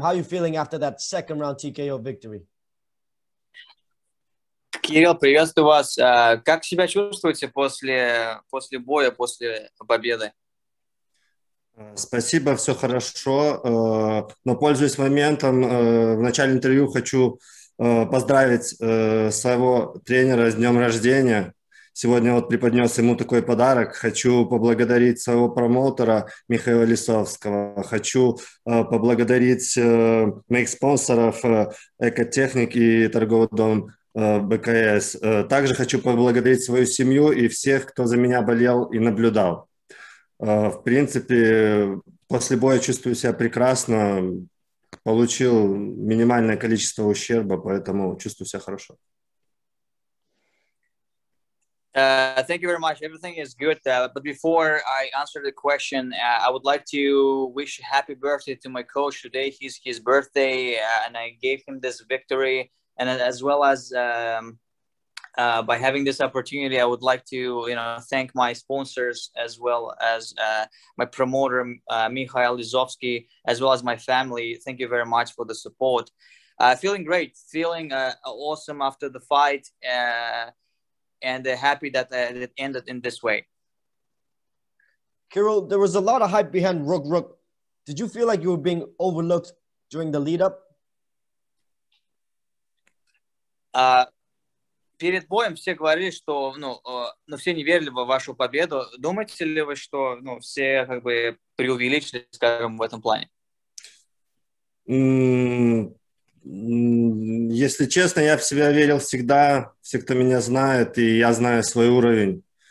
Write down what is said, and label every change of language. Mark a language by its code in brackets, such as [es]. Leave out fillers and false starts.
[en] How are you feeling after that second round TKO victory? [ru] Кирилл, приветствую вас. Как себя чувствуете после боя, после победы? Спасибо, все хорошо. Но пользуясь моментом, в начале интервью хочу поздравить своего тренера с днем рождения. Сегодня вот преподнес ему такой подарок. Хочу поблагодарить своего промоутера Михаила Лисовского. Хочу поблагодарить моих спонсоров Экотехник и торговый дом БКС. Также хочу поблагодарить свою семью и всех, кто за меня болел и наблюдал. В принципе, после боя чувствую себя прекрасно. Получил минимальное количество ущерба, поэтому чувствую себя хорошо. [en] Thank you very much. Everything is good. But before I answer the question, I would like to wish happy birthday to my coach today. It's his birthday, and I gave him this victory. And as well as by having this opportunity, I would like to, you know, thank my sponsors as well as my promoter Mikhail Lizovsky, as well as my family. Thank you very much for the support. Feeling great, feeling awesome after the fight. And happy that it ended in this way. Kirill, there was a lot of hype behind Rook Rook. Did you feel like you were being overlooked during the lead-up? [ru] Перед боем все говорили, что, ну, все не верили во вашу победу. Думаете ли вы, что, ну, все как бы преувеличили, скажем, в этом плане? Если честно, я в себя верил всегда, все, кто меня знает, и я знаю свой уровень.